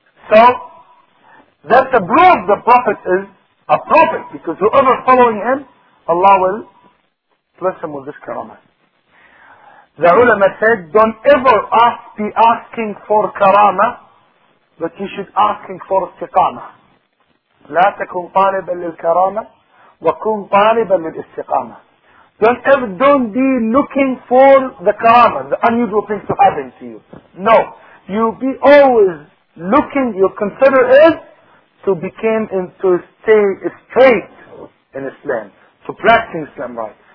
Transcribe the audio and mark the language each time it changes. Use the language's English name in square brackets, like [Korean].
[English] So, that the proof of the Prophet is a prophet, because whoever is following him, Allah will bless him with this karama. The ulama said, don't ever be asking for karama, but you should asking for istiqama. [Arabic] لا تكون طالبا للكرامة وكون طالبا للاستقامة. [English] Don't be looking for the karama, the unusual things to happen to you. No. You be always looking, you consider it, to become and to stay straight in Islam, to practice Islam right.